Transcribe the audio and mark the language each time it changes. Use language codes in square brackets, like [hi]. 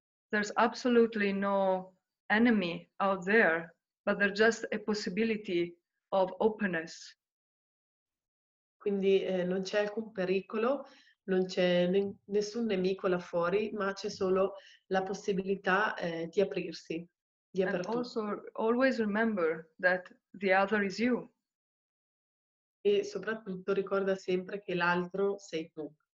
[en] There's absolutely no enemy out there, but there's just a possibility of openness. [it] Quindi non c'è alcun pericolo, non c'è nessun nemico là fuori, ma c'è solo la possibilità di aprirsi. [en] And also always remember that the other is you. [it] E soprattutto ricorda sempre che l'altro sei tu.